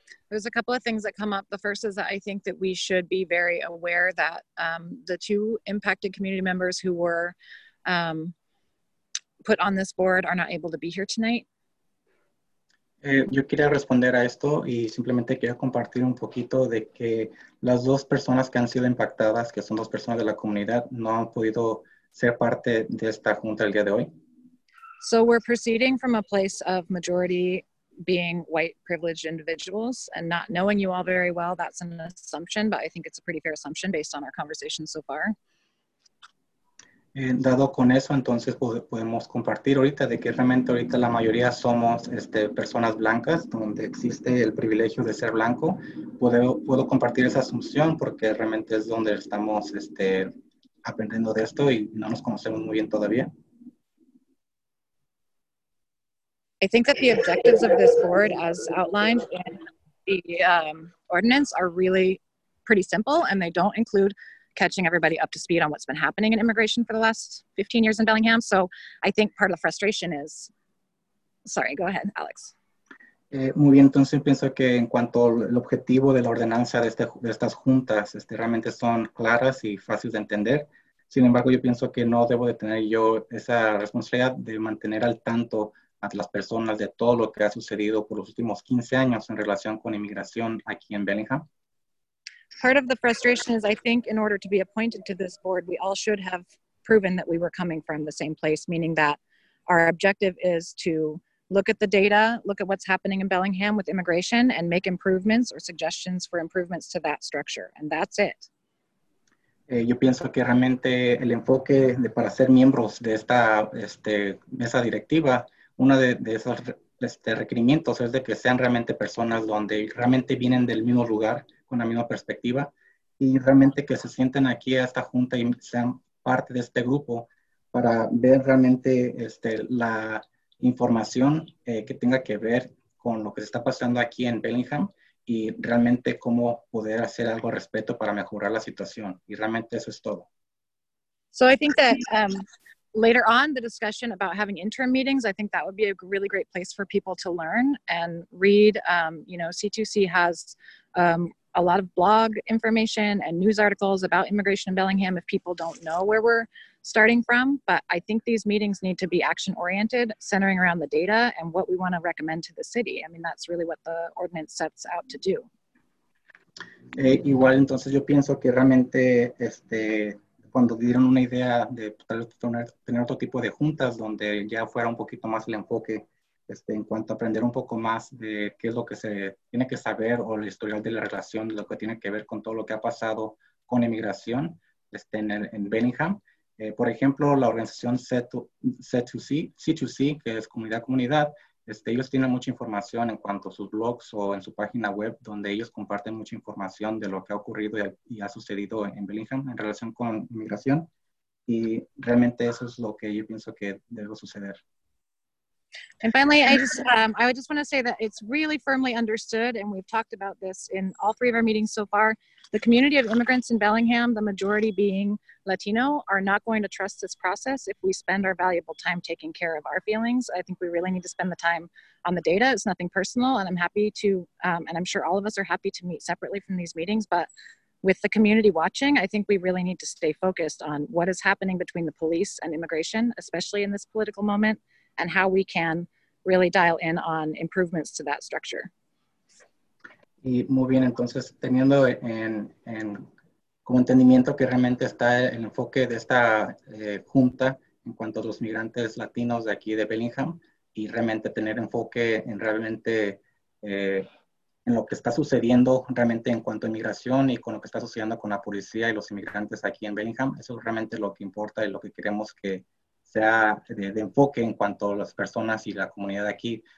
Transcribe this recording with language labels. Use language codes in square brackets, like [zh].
[en] There's a couple of things that come up. The first is that I think that we should be very aware that the two impacted community members who were put on this board are not able to be here tonight. [es] Yo quería responder a esto y simplemente quería compartir un poquito de que las dos personas que han sido impactadas, que son dos personas de la comunidad, no han podido ser parte de esta junta el día de hoy. [en] So we're proceeding from a place of majority being white privileged individuals and not knowing you all very well, that's an assumption, but I think it's a pretty fair assumption based on our conversation so far. [es] Dado con eso, entonces podemos compartir ahorita de que realmente ahorita la mayoría somos personas blancas, donde existe el privilegio de ser blanco. Puedo compartir esa asunción porque realmente es donde estamos aprendiendo de esto y no nos conocemos muy bien todavía. [en] I think that the objectives of this board as outlined in the ordinance are really pretty simple and they don't include catching everybody up to speed on what's been happening in immigration for the last 15 years in Bellingham. So I think part of the frustration is, sorry, go ahead, Alex. [es] Muy bien, entonces pienso que en cuanto al objetivo de la ordenanza de estas juntas, realmente son claras y fáciles de entender. Sin embargo, yo pienso que no debo de tener yo esa responsabilidad de mantener al tanto a las personas de todo lo que ha sucedido por los últimos 15 años en relación con inmigración aquí en Bellingham. [en] Part of the frustration is I think in order to be appointed to this board, we all should have proven that we were coming from the same place, meaning that our objective is to look at the data, look at what's happening in Bellingham with immigration and make improvements or suggestions for improvements to that structure. And that's it. [es] Yo pienso que realmente el enfoque de, para ser miembros de esta mesa directiva, uno de esos requerimientos es de que sean realmente personas donde realmente vienen del mismo lugar, con la misma perspectiva, y realmente que se sienten aquí a esta junta y sean parte de este grupo para ver realmente la información que tenga que ver con lo que se está pasando aquí en Bellingham y realmente cómo poder hacer algo al respecto para mejorar la situación. Y realmente eso es todo. [en] So I think that later on, the discussion about having interim meetings, I think that would be a really great place for people to learn and read. You know, C2C has a lot of blog information and news articles about immigration in Bellingham if people don't know where we're starting from. But I think these meetings need to be action-oriented, centering around the data and what we want to recommend to the city. I mean, that's really what the ordinance sets out to do. [es] Igual, entonces, yo pienso que realmente, cuando dieron una idea de tener otro tipo de juntas donde ya fuera un poquito más el enfoque en cuanto a aprender un poco más de qué es lo que se tiene que saber o el historial de la relación, lo que tiene que ver con todo lo que ha pasado con inmigración en Bellingham. Por ejemplo, la organización C2C, que es comunidad, ellos tienen mucha información en cuanto a sus blogs o en su página web, donde ellos comparten mucha información de lo que ha ocurrido y ha sucedido en Bellingham en relación con inmigración. Y realmente eso es lo que yo pienso que debe suceder. [en] And finally, I just want to say that it's really firmly understood, and we've talked about this in all three of our meetings so far, the community of immigrants in Bellingham, the majority being Latino, are not going to trust this process if we spend our valuable time taking care of our feelings. I think we really need to spend the time on the data. It's nothing personal, and I'm happy to, and I'm sure all of us are happy to meet separately from these meetings, but with the community watching, I think we really need to stay focused on what is happening between the police and immigration, especially in this political moment, and how we can really dial in on improvements to that structure. [es] Y muy bien, entonces, teniendo en como entendimiento que realmente está el enfoque de esta junta en cuanto a los migrantes latinos de aquí de Bellingham, y realmente tener enfoque en realmente en lo que está sucediendo realmente en cuanto a inmigración y con lo que está sucediendo con la policía y los inmigrantes aquí en Bellingham, eso es realmente lo que importa y lo que queremos que sea de enfoque en cuanto a las personas y la comunidad aquí.